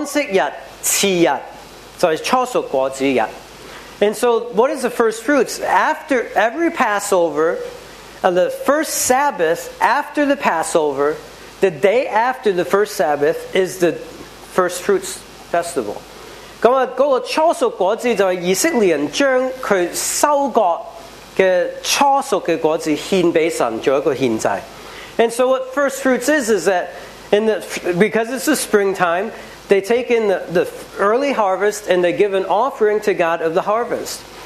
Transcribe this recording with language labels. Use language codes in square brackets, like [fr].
[zh] 初熟的果子就是每一個逾越節之後的安息日，就是初熟果子日。 [en] And so what is the first fruits? After every Passover, the first Sabbath after the Passover, the day after the first Sabbath is the first fruits festival. [zh] 那么那个初熟果子就是以色列人将他收割的初熟的果子献给神做一个献祭。 [en] And so what first fruits is that in the, because it's the springtime, they take in the early harvest and they give an offering to God of the harvest.